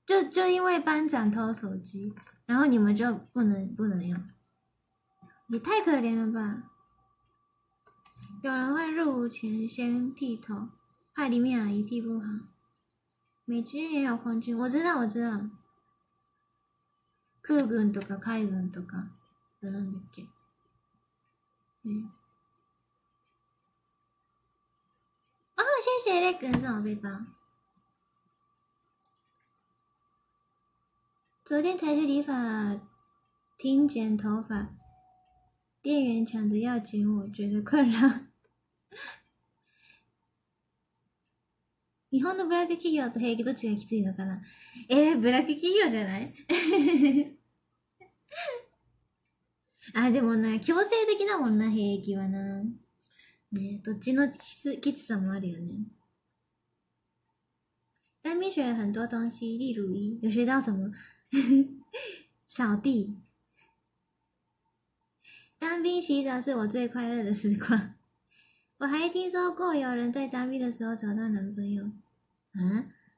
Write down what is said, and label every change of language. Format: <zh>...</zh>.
<zh>就因为班长偷手机，然后你们就不能用。也太可怜了吧！有人会入伍前先剃头，怕里面阿姨剃不好。美军也有空军，我知道。</zh> <ja>空军とか海軍とか、どんだっけ？嗯。</ja> <zh>哦，谢谢雷根送我背包。昨天才去理发厅剪头发。店员抢着要剪，我觉得困扰。日本的</zh> <ja>ブラック企業と兵役どっちがきついのかな？ブラック企業じゃない？あ、でもな、強制的なもんな、兵役はな。ね、どっちのきつさもあるよね。</ja> <zh>当兵学了很多东西，例如一，有学到什么？扫地。当兵洗澡是我最快乐的时光。我还听说过有人在当兵的时候找到男朋友。啊？</zh>